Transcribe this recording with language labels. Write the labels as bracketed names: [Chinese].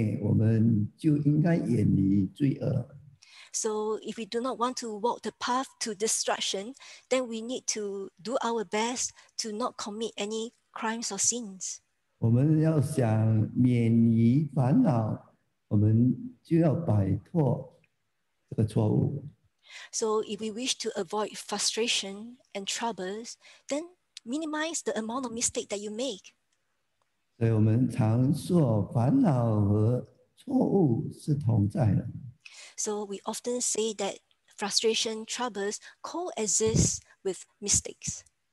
[Chinese] 我们要想灭离毁灭，我们就应该远离罪恶。 [English] So if we do not want to walk the path to destruction, then we need to do our best to not commit any crimes or sins. [Chinese] 我们要想免于烦恼，我们就要摆脱这个错误。 [English] So if we wish to avoid frustration and troubles, then minimize the amount of mistake that you make. [Chinese] 所以我们常说烦恼和错误是同在的。 [English] So we often say that frustration, troubles coexist with mistakes.